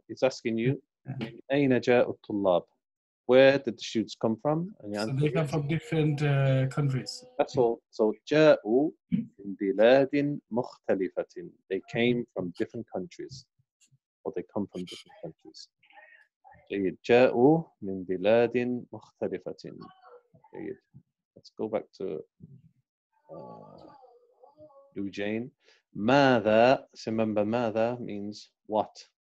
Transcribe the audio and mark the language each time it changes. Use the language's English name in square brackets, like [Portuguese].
[English] It's asking you, [Arabic] أَيْنَ جَاءُ الطُّلَّابُ? [English] Where did the students come from? And so they come from different countries. That's all. [Arabic] So جَاءُ مِنْ بِلَادٍ مُخْتَلِفَةٍ. [English] They came from different countries. Or they come from different countries. [Arabic] جَاءُ مِنْ بِلَادٍ مُخْتَلِفَةٍ. [English] Let's go back to Eugene. مَاذَا, so remember مَاذَا means what?